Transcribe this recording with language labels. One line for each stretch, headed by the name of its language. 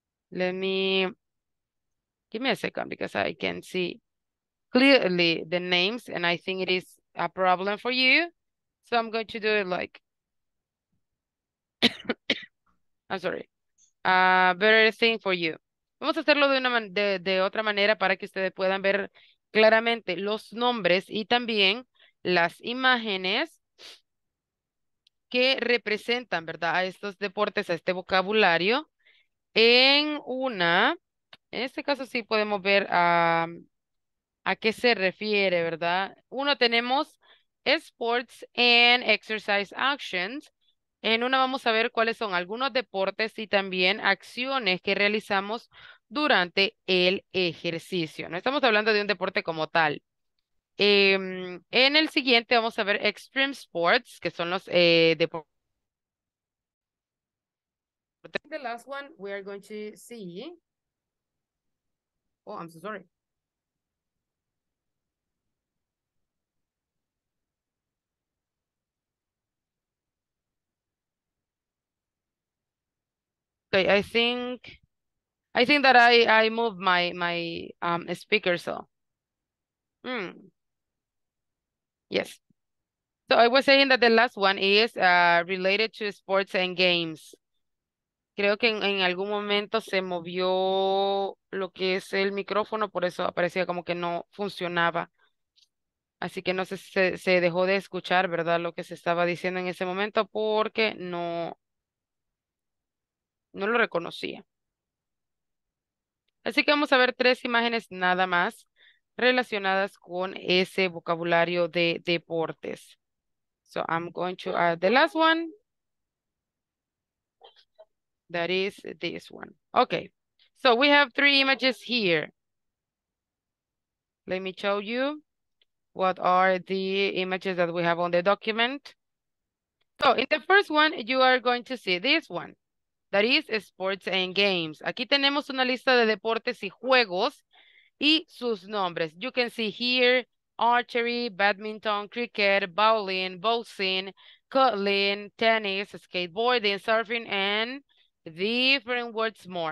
English: Let me, give me a second because I can see clearly the names and I think it is a problem for you. So I'm going to do it like, I'm sorry, a better thing for you.
Spanish: Vamos a hacerlo de otra manera para que ustedes puedan ver claramente los nombres y también las imágenes que representan, ¿verdad?, a estos deportes, a este vocabulario, en una, en este caso sí podemos ver a qué se refiere, ¿verdad? Uno tenemos
English: sports and exercise actions,
Spanish: en una vamos a ver cuáles son algunos deportes y también acciones que realizamos durante el ejercicio. No estamos hablando de un deporte como tal. En el siguiente vamos a ver extreme sports, que son los deportes.
English: The last one we are going to see. Oh, I'm so sorry. Okay, I think I think that I moved my speaker, so. Yes. So I was saying that the last one is related to sports and games.
Spanish: Creo que en algún momento se movió lo que es el micrófono, por eso parecía como que no funcionaba. Así que no sé si se dejó de escuchar, ¿verdad? Lo que se estaba diciendo en ese momento porque no lo reconocía. Así que vamos a ver tres imágenes nada más relacionadas con ese vocabulario de deportes.
English: So I'm going to add the last one. That is this one. Okay. So we have three images here. Let me show you what are the images that we have on the document. So in the first one, you are going to see this one. That is sports and games.
Spanish: Aquí tenemos una lista de deportes y juegos y sus nombres.
English: You can see here, archery, badminton, cricket, bowling, boxing, curling, tennis, skateboarding, surfing, and different words more.